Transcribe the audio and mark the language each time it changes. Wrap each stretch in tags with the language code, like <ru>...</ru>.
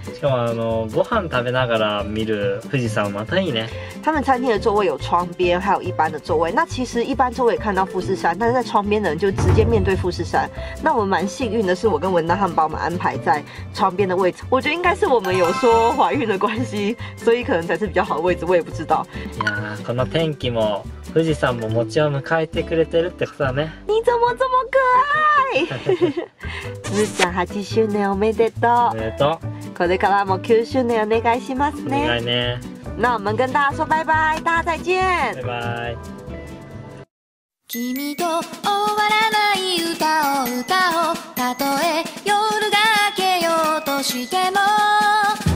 <ja>しかもご飯食べながら見る富士山またいいね。</ja> <zh>他们餐厅的座位有窗边，还有一般的座位。那其实一般座位也看到富士山，但是在窗边的人就直接面对富士山。那我们蛮幸运的是，我跟文章他们把我们安排在窗边的位置。我觉得应该是我们有说怀孕的关系，所以可能才是比较好的位置，我也不知道。</zh> <ja>呀，この天気も富士山ももちろん迎えてくれてるってことね。</ja> <zh>你怎么这么可爱？</zh> <ja>富士山80周年おめでとう。おめでとう。これからも9周年お願いしますね。お願いね。</ja> <zh>那我们跟大家说拜拜，大家再见，拜拜。</zh> <ja>君と終わらない歌を歌おう、たとえ夜が明けようとしても。</ja>